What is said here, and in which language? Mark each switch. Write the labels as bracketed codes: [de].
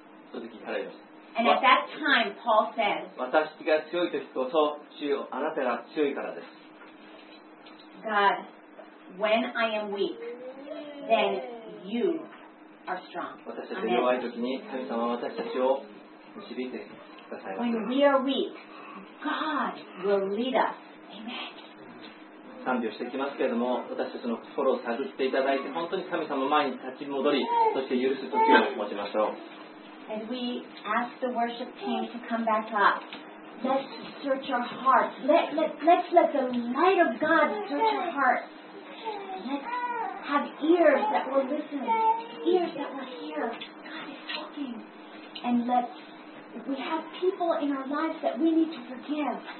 [ja] その時、彼は言いました。 [en] And at that time, Paul said, [ja] 私が強い時こそ、主よ、あなたが強いからです。 [en] God, when I am weak, then you are strong. [ja] 私たちが弱い時に神様は私たちを導いてくださいます。 [en] When we are weak, God will lead us. Amen. [ja] 賛美をしていきますけれども、私たちの心を探っていただいて、本当に神様の前に立ち戻り、そして許す時を持ちましょう。 [en] As we ask the worship team to come back up. Let's search our heart. Let's let the light of God search our heart. Let's have ears that will listen, ears that will hear. God is talking. And we have people in our lives that we need to forgive.